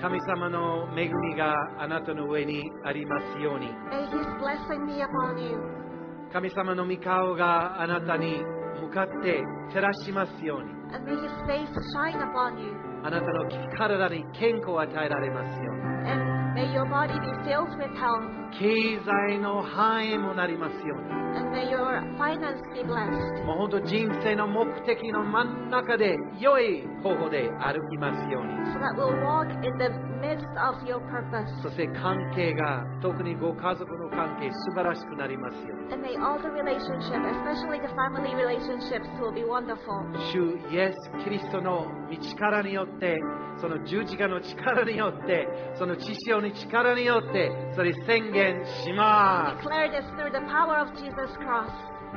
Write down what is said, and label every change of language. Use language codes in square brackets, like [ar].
[ja] 神様の恵みがあなたの上にありますように。 [en] May His blessing be upon you. [ja] 神様の御顔があなたに。向かって照らしますように。 [en] And may His face shine upon you. [ja] あなたの体に健康を与えられますように。 [en] And may your body be filled with health. [ja] 経済の繁栄もなりますように。 [en] And may your finance be blessed. [ja] もう本当人生の目的の真ん中で良い方法で歩きますように。 [en] So that we'll walk in the midst of your purpose. [ja] そして関係が特にご家族の関係素晴らしくなりますように。 [en] And may all the relationships, especially the family relationships, will be wonderful. [ja] 主イエス・キリストの御力によって、その十字架の力によって、その血潮の力によって、それ宣言します。 [en] We declare this through the power of Jesus Christ.